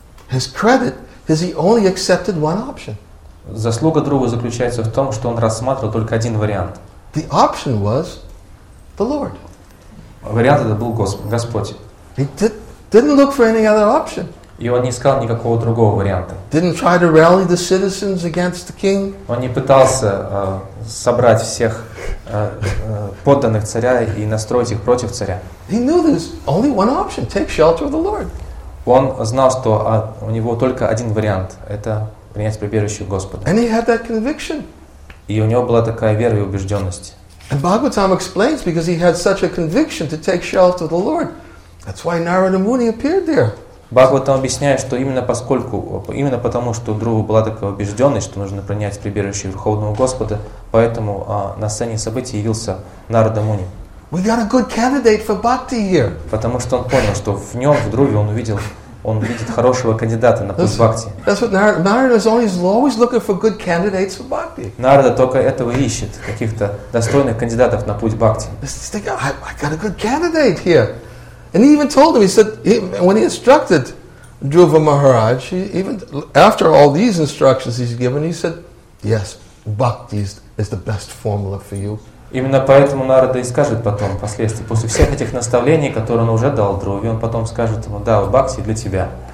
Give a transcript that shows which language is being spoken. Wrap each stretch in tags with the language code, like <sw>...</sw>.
<en>His credit is he only accepted one option.</en> <ru>Заслуга Друвы заключается в том, что он рассматривал только один вариант.</ru> <en>The option was the Lord.</en> <ru>Вариант это был Господь.</ru> <en>He didn't look for any other option.</en> <ru>И он не искал никакого другого варианта.</ru> <en>Didn't try to rally the citizens against the king.</en> <ru>Он не пытался собрать всех подданных царя и настроить их против царя.</ru> <en>He knew there's only one option. Take shelter of the Lord.</en> <ru>Он знал, что у него только один вариант – это принять прибежище у Господа.</ru> <en>And he had that conviction.</en> <ru>И у него была такая вера и убежденность.</ru> <en>And Bhagavatam explains, because he had such a conviction to take shelter of the Lord, that's why Narada Muni appeared there.</en> <ru>Бхагаватам объясняет, что именно потому, что у Друвы была такая убежденность, что нужно принять прибежище Верховного Господа, поэтому на сцене событий явился Нарада Муни.</ru> <en>We got a good candidate for bhakti here.</en> <ru>Потому что он понял, что в нем, в Друве, он видит хорошего кандидата на путь бхакти.</ru> <en>That's what Narada is always looking for good candidates for bhakti.</en> <ru>Narada только этого ищет, каких-то достойных кандидатов на путь бхакти.</ru> <en>I got a good candidate here, and he even told him. He said when he instructed Dhruva Maharaj, even after all these instructions he's given, he said, yes, bhakti is the best formula for you.</en> <ru>Именно поэтому Нарада и скажет потом, впоследствии, после всех этих наставлений, которые он уже дал Друве, он потом скажет ему, да, бхакти для тебя.</ru>